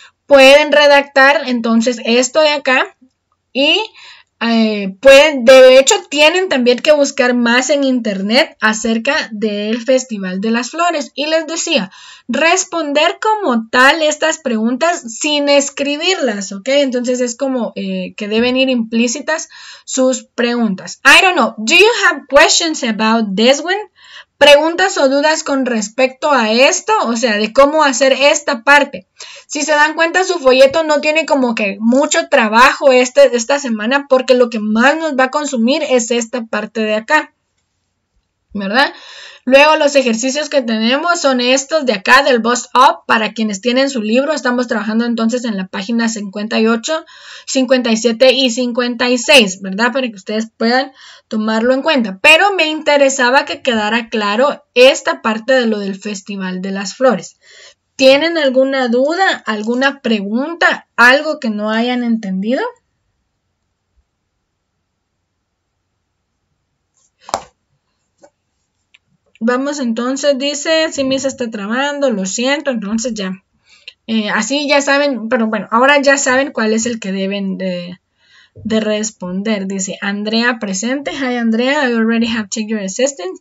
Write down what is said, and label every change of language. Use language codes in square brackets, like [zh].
[es] Pueden redactar entonces esto de acá y de hecho tienen también que buscar más en internet acerca del Festival de las Flores. Y les decía, responder como tal estas preguntas sin escribirlas, ¿ok? Entonces es como que deben ir implícitas sus preguntas. [en] I don't know, do you have questions about this one? [es] ¿Preguntas o dudas con respecto a esto? O sea, de cómo hacer esta parte. Si se dan cuenta, su folleto no tiene como que mucho trabajo esta semana porque lo que más nos va a consumir es esta parte de acá, ¿verdad? Luego los ejercicios que tenemos son estos de acá, del Boss Up, para quienes tienen su libro. Estamos trabajando entonces en la página 58, 57 y 56, ¿verdad? Para que ustedes puedan tomarlo en cuenta. Pero me interesaba que quedara claro esta parte de lo del Festival de las Flores. ¿Tienen alguna duda, alguna pregunta, algo que no hayan entendido? Vamos entonces, dice, si me se está trabando, lo siento, entonces ya. Así ya saben, pero bueno, ahora ya saben cuál es el que deben de responder. Dice, Andrea presente. [en] Hi, Andrea, I already have checked your assistance.